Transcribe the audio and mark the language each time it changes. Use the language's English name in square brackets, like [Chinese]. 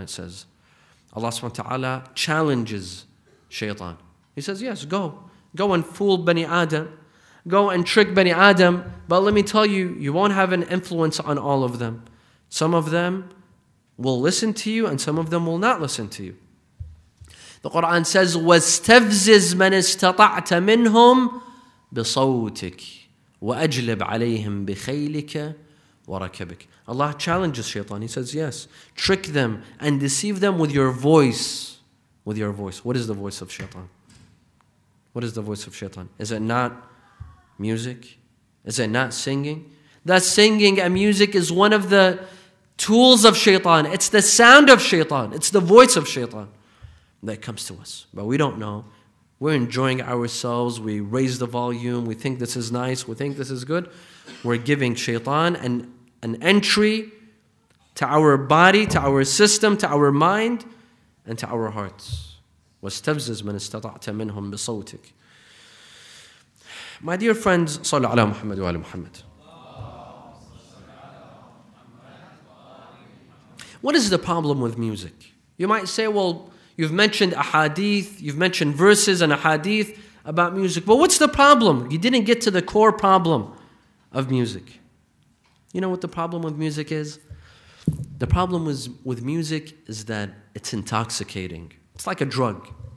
[English] It says, Allah subhanahu wa ta'ala challenges shaitan. He says, yes, go. Go and fool Bani Adam. Go and trick Bani Adam. But let me tell you, you won't have an influence on all of them. Some of them will listen to you and some of them will not listen to you. The Quran says, [Arabic] وَاسْتَفْزِزْ مَنِ اسْتَطَعْتَ مِنْهُمْ بِصَوْتِكَ وَأَجْلِبْ عَلَيْهِمْ بِخَيْلِكَ وَرَكَبِكَ. [English] Allah challenges shaitan. He says, yes, trick them and deceive them with your voice. With your voice. What is the voice of shaitan? What is the voice of shaitan? Is it not music? Is it not singing? That singing and music is one of the tools of shaitan. It's the sound of shaitan. It's the voice of shaitan that comes to us. But we don't know. We're enjoying ourselves. We raise the volume. We think this is nice. We think this is good. We're giving shaitan an entry to our body, to our system, to our mind, and to our hearts. [Arabic] وَاسْتَفْزِزْ مَنِ اسْتَطَعْتَ مِنْهُمْ بِصَوْتِكَ. [English] My dear friends, [Arabic] صلى على محمد وعلى محمد. [English] What is the problem with music? You might say, well, you've mentioned ahadith, you've mentioned verses and ahadith about music. But what's the problem? You didn't get to the core problem of music. You know what the problem with music is? The problem with music is that it's intoxicating. It's like a drug.